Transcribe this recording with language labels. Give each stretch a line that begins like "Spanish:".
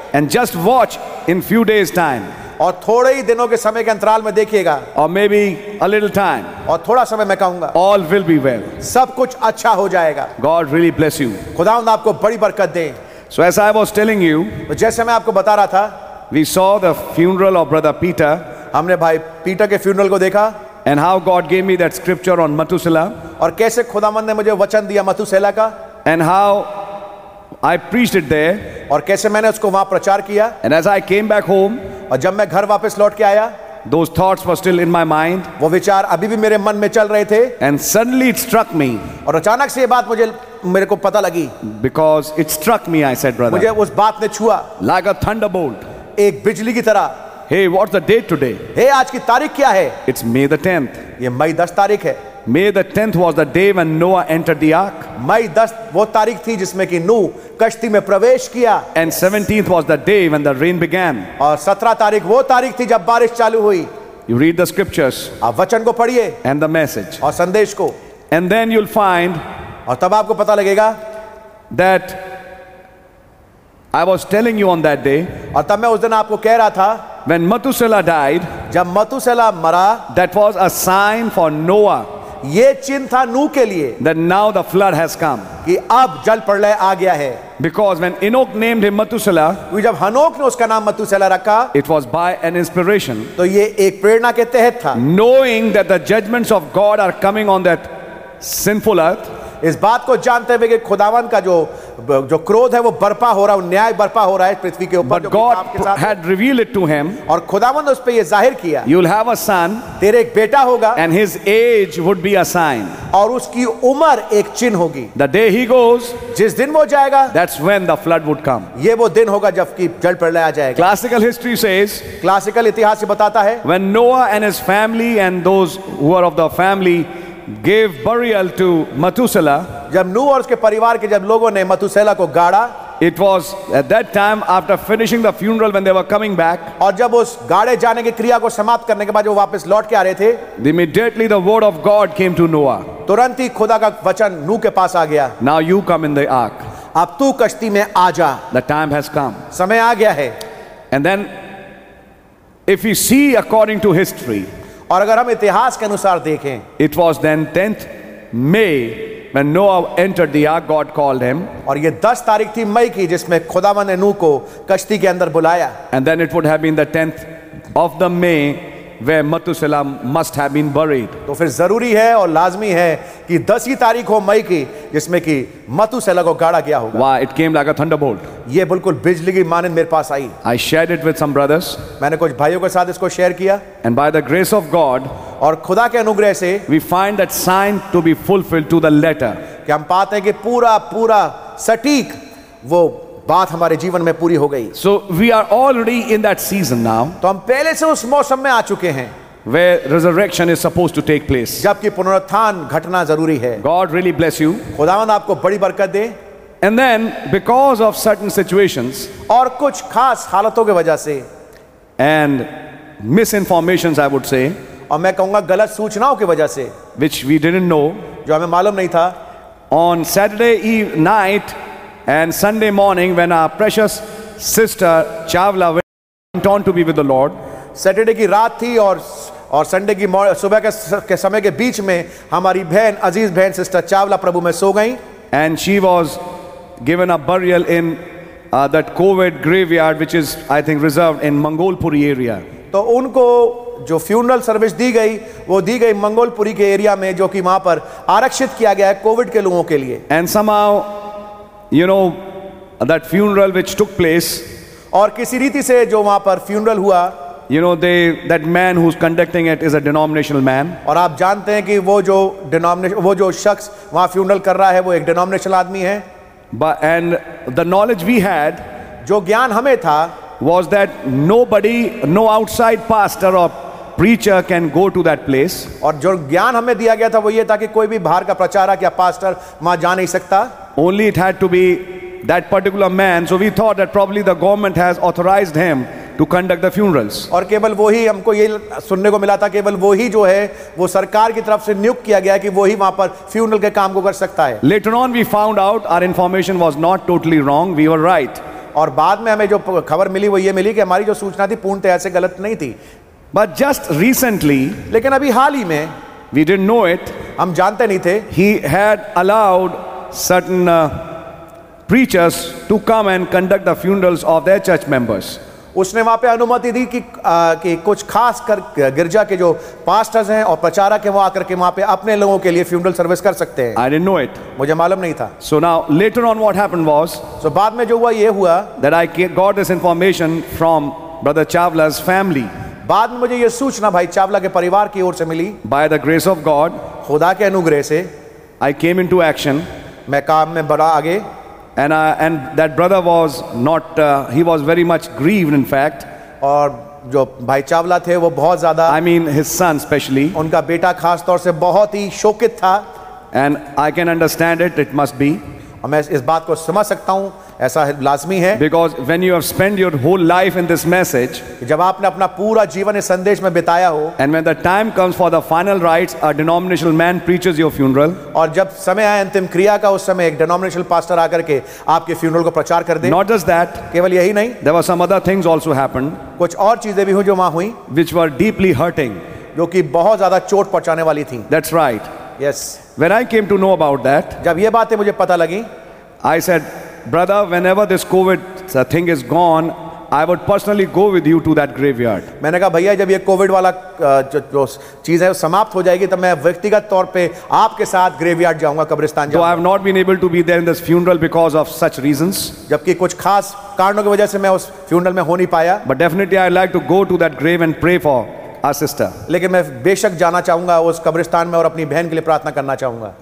English: And just watch in few days time,
Hindi: और थोड़े ही दिनों के समय के अंतराल में देखिएगा,
English: or maybe a little time,
Hindi: और थोड़ा समय मैं कहूंगा,
English: all will be well,
Hindi: सब कुछ अच्छा हो जाएगा.
English: God really bless you,
Hindi: खुदावंद आपको बड़ी बरकत दे.
English: So as I was telling you,
Hindi: जैसे मैं आपको बता रहा था,
English: we saw the funeral of brother Peter,
Hindi: हमने भाई पीटर के फ्यूनरल को देखा,
English: and how God gave me that scripture on Methuselah,
Hindi: और कैसे खुदावंद ने मुझे वचन दिया मथुसेला का,
English: and how I preached it there,
Hindi: और कैसे मैंने उसको वहां प्रचार किया,
English: and as I came back home,
Hindi: और जब मैं घर वापस लौट के आया,
English: those thoughts were still in my mind,
Hindi: वो विचार अभी भी मेरे मन में चल रहे थे,
English: and suddenly it struck me,
Hindi: और अचानक से ये बात मेरे को पता लगी,
English: because it struck me, I said, brother,
Hindi: मुझे उस बात ने छुआ,
English: like a thunderbolt,
Hindi: एक बिजली की तरह,
English: hey, what's the date today?
Hindi: Hey, आज की तारीख क्या है?
English: It's May the 10th.
Hindi: ये मई 10 तारीख है.
English: May the 10th was the day when Noah entered the ark.
Hindi: May 10th वो तारीख थी जिसमें कि नूह कश्ती में प्रवेश किया.
English: And 17th was the day when the rain began.
Hindi: और 17 तारीख वो तारीख थी जब बारिश चालू हुई.
English: You read the scriptures.
Hindi: आप वचन को पढ़िए.
English: And the message.
Hindi: और संदेश को.
English: And then you'll find.
Hindi: और तब आपको पता लगेगा.
English: That I was telling you on that day.
Hindi: और तब मैं उस दिन आपको कह रहा था.
English: When Methuselah died.
Hindi: जब मथुसेला मरा.
English: That was a sign for Noah.
Hindi: ये चिन्ह था नूह के लिए.
English: That now the flood has come.
Hindi: कि अब जल प्रलय आ गया है.
English: Because when Enoch named him Methuselah,
Hindi: जब हनोक ने उसका नाम मथुसेला रखा,
English: it was by an inspiration.
Hindi: तो ये एक प्रेरणा के तहत था.
English: Knowing that the judgments of God are coming on that sinful earth,
Hindi: इस बात को जानते हुए कि खुदावन का जो जो क्रोध है वो बर्पा हो रहा है, न्याय बर्पा हो रहा है पृथ्वी के ऊपर.
English: God had revealed it to him.
Hindi: और खुदावंद उस पे ये जाहिर किया.
English: You'll have a son.
Hindi: तेरे एक बेटा होगा.
English: And his age would be a sign.
Hindi: और उसकी उम्र एक चिन्ह होगी.
English: The day he goes.
Hindi: जिस दिन वो जाएगा.
English: That's when the flood would come.
Hindi: ये वो दिन होगा जबकि जल प्रलय आ जाएगा.
English: Classical history says.
Hindi: क्लासिकल इतिहास ये बताता है.
English: When Noah and his family and those who are of the family gave burial to Methuselah.
Hindi: जब नूह और उसके परिवार के जब लोगों ने मथुसेला को गाड़ा.
English: It was at that time after finishing the funeral when they were coming back.
Hindi: और जब उस गाड़े जाने की क्रिया को समाप्त करने के बाद वो वापस लौट के आ रहे थे.
English: Immediately the word of God came to Noah.
Hindi: तुरंत ही खुदा का वचन नूह के पास आ गया.
English: Now you come in the ark.
Hindi: अब तू कश्ती में आ जा.
English: The time has come.
Hindi: समय आ गया है.
English: And then if you see according to history.
Hindi: और अगर हम इतिहास के अनुसार देखें.
English: It was then 10th May when Noah entered the ark, God called him.
Hindi: और ये 10 तारीख थी मई की जिसमें खुदावंद ने नूह को कश्ती के अंदर बुलाया.
English: And then it would have been the 10th of the May where Methuselah must have been buried.
Hindi: तो फिर जरूरी है और लाजमी है कि 10 ही तारीख हो मई की जिसमें कि मथुसेला को गाड़ा गया होगा.
English: Wow, it came like a thunderbolt.
Hindi: ये बिल्कुल बिजली की मानिंद मेरे पास आई.
English: I shared it with some brothers.
Hindi: मैंने कुछ भाइयों के साथ इसको शेयर किया.
English: And by the grace of God.
Hindi: और खुदा के अनुग्रह से.
English: We find that sign to be fulfilled to the letter.
Hindi: कि हम पाते हैं कि पूरा पूरा सटीक वो बात हमारे जीवन में पूरी हो गई.
English: So we are already in that season now.
Hindi: तो हम पहले से उस मौसम में आ चुके हैं.
English: Where resurrection is supposed to take place.
Hindi: जबकि पुनरुत्थान घटना जरूरी है.
English: God really bless you.
Hindi: खुदावंद आपको बड़ी बरकत दे.
English: And then because of certain situations.
Hindi: और कुछ खास हालतों के वजह से.
English: And misinformations I would say.
Hindi: और मैं कहूंगा गलत सूचनाओं की वजह से.
English: Which we didn't know.
Hindi: जो हमें मालूम नहीं था.
English: On Saturday night and Sunday morning when our precious sister Chavla went on to be with the Lord.
Hindi: Saturday की रात थी और संडे की सुबह के समय के बीच में हमारी बहन अजीज बहन सिस्टर चावला प्रभु में सो गई.
English: And she was given a burial in that covid graveyard which is I think reserve in Mangolpuri area.
Hindi: तो उनको जो फ्यूनरल सर्विस दी गई वो दी गई मंगोलपुरी के एरिया में जो कि वहां पर आरक्षित किया गया है कोविड के लोगों के लिए.
English: And somehow you know that funeral which took place.
Hindi: और किसी रीति से जो वहां पर फ्यूनरल हुआ.
English: You know that man who's conducting it is a denominational man.
Hindi: और आप जानते हैं कि वो जो denomination, वो जो शख्स वहाँ funeral कर रहा है, वो एक denominational आदमी है.
English: But and the knowledge we had,
Hindi: जो ज्ञान हमें था,
English: was that nobody, no outside pastor or preacher can go to that place.
Hindi: और जो ज्ञान हमें दिया गया था, वो ये था कि कोई भी बाहर का प्रचारक या pastor वहाँ जा नहीं सकता.
English: Only it had to be that particular man. So we thought that probably the government has authorized him. To conduct the funerals.
Hindi: और केवल वो ही हमको ये सुनने को मिला था, केवल वो ही जो है वो सरकार की तरफ से नियुक्त किया गया कि वो ही वहाँ पर funeral के काम को कर सकता है.
English: Later on we found out our information was not totally wrong, we were right.
Hindi: और बाद में हमें जो खबर मिली वो ये मिली कि हमारी जो सूचना थी पूर्ण तरह से गलत नहीं थी.
English: But just recently,
Hindi: लेकिन अभी हाल ही में,
English: we didn't know it,
Hindi: हम जानते नहीं थे,
English: he had allowed certain preachers to come and conduct the funerals of their church members.
Hindi: उसने वहां पे अनुमति दी कि कुछ खास कर गिरजा के जो पास्टर्स हैं और प्रचारक हैं वो आकर के वहां पे अपने लोगों के लिए फ्यूनरल सर्विस कर सकते हैं.
English: I didn't know it.
Hindi: मुझे मालूम नहीं था.
English: So now later on what happened was.
Hindi: So बाद में जो हुआ ये हुआ.
English: That I got this information from brother Chavla's family.
Hindi: बाद में मुझे ये सूचना भाई चावला के परिवार की ओर से मिली.
English: By the grace of God.
Hindi: खुदा के अनुग्रह से.
English: I came into action.
Hindi: मैं काम में बड़ा आगे.
English: And that brother was not he was very much grieved in fact.
Hindi: और जो भाई चावला थे वो बहुत ज्यादा.
English: I mean his son especially.
Hindi: उनका बेटा खास तौर से बहुत ही शोकित था.
English: And I can understand it must be.
Hindi: और मैं इस बात को समझ सकता हूँ, ऐसा लाजमी है.
English: Because when you have spent your whole life in this message.
Hindi: जब आपने अपना पूरा जीवन इस संदेश में बिताया हो.
English: And when the time comes for the final rites, a denominational man preaches your funeral.
Hindi: और जब समय आए अंतिम क्रिया का, उस समय एक denominational pastor आकर के आपके funeral को प्रचार कर दे.
English: Not just that.
Hindi: केवल यही नहीं.
English: There were some other things also happened.
Hindi: कुछ और चीजें भी हुई जो वहाँ हुई.
English: Which were deeply hurting.
Hindi: जो कि बहुत ज्यादा चोट पहुंचाने वाली थी.
English: That's right. Yes. When I came to know about that.
Hindi: जब ये बातें मुझे पता लगी.
English: I said, brother, whenever this COVID thing is gone, I would personally go with you to that graveyard.
Hindi: मैंने कहा भैया जब ये कोविड वाला जो चीज है वो समाप्त हो जाएगी तब मैं व्यक्तिगत तौर पे आपके साथ graveyard जाऊंगा कब्रिस्तान जाऊंगा.
English: So I have not been able to be there in this funeral because of such reasons.
Hindi: जबकि कुछ खास कारणों की वजह से मैं उस funeral में हो नहीं पाया.
English: But definitely I'd like to go to that grave and pray for our sister.
Hindi: लेकिन मैं बेशक जाना चाहूंगा उस कब्रिस्तान में और अपनी बहन के लिए प्रार्थना करना चाहूंगा.